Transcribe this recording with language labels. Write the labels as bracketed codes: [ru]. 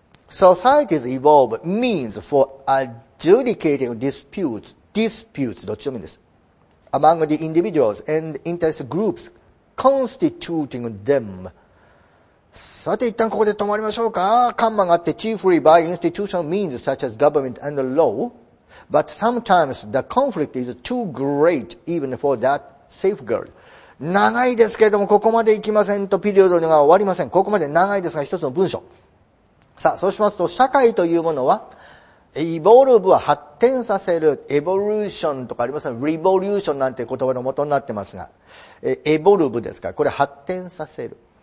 [en] Societies evolve means for adjudicating disputes, [ja] どっちでもいいんです。 [en] Among the individuals and interest groups constituting them。 [ja] さて一旦ここで止まりましょうか。カンマがあって [en] chiefly by institutional means such as government and law、 but sometimes the conflict is too great even for that safeguard。 [ja] 長いですけれどもここまで行きませんとピリオドが終わりません。ここまで長いですが一つの文章。さあそうしますと社会というものはエボルブは発展させる。エボリューションとかありますね。リボリューションなんて言葉の元になってますが。エボルブですから、これ発展させる。